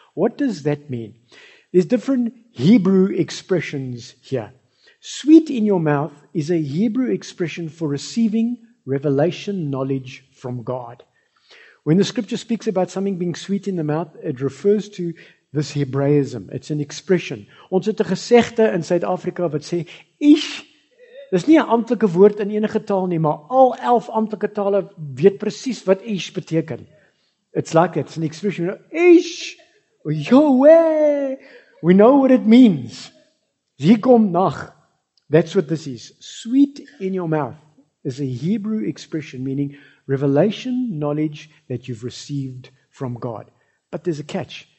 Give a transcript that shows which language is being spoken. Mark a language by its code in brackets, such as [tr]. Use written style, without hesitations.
[en] What does that mean? There's different Hebrew expressions here. Sweet in your mouth is a Hebrew expression for receiving revelation knowledge from God. When the scripture speaks about something being sweet in the mouth, it refers to this Hebraism. It's an expression. [af] Ons het 'n gesegde in Suid-Afrika wat sê, "Ish." Dis nie 'n amptelike woord in enige taal nie, maar al 11 amptelike tale weet presies wat ish beteken. [en] It's like that. It's an expression. You know, ish, yo way. We know what it means. [af] Hier kom nag. [en] That's what this is. Sweet in your mouth is a Hebrew expression meaning revelation, knowledge that you've received from God. But there's a catch.